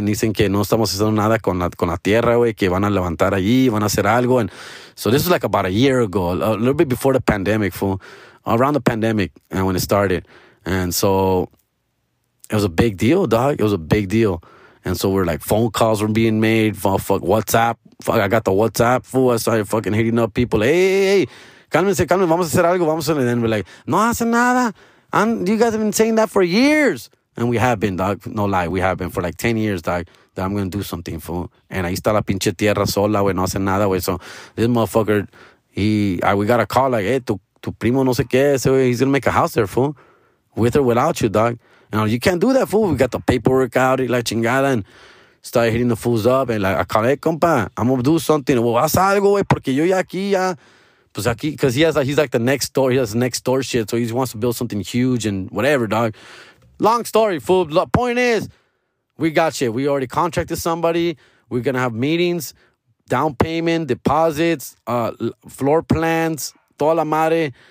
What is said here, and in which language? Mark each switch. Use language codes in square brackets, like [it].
[es] Dicen que no estamos haciendo nada con la tierra, güey, que van a levantar allí, van a hacer algo. [en] So this was like about a year ago, a little bit before the pandemic, fool. Around the pandemic and when it started. And so it was a big deal, dog. It was a big deal. And so we're like, phone calls were being made. Fuck, WhatsApp. Fuck, I got the WhatsApp, fool. I started fucking hitting up people. Hey, [es] Cálmense, cálmense. Vamos a hacer algo. Vamos a hacer. [en] And then we're like, [es] no hace nada. [en] And you guys have been saying that for years. And we have been, dog. No lie. We have been for like 10 years, dog, that I'm going to do something, fool. And [es] ahí está la pinche tierra sola, güey. No hace nada, güey. [en] So this motherfucker, we got a call like, hey, [es] tu primo no sé qué. [en] So he's going to make a house there, fool. With or without you, dog. And I'm like, you can't do that, fool. We got the paperwork out, [es] y la chingada. [en] And started hitting the fools up. And like, [es] acabé, compa. [en] I'm going to do something. [es] Well, haz algo, güey, porque yo ya aquí ya... Pues aquí, [en] because he's like the next door. He has the next door shit. So he just wants to build something huge and whatever, dog. Long story, fool. Point is, we got shit. We already contracted somebody. We're going to have meetings, down payment, deposits, floor plans, [es] toda la madre.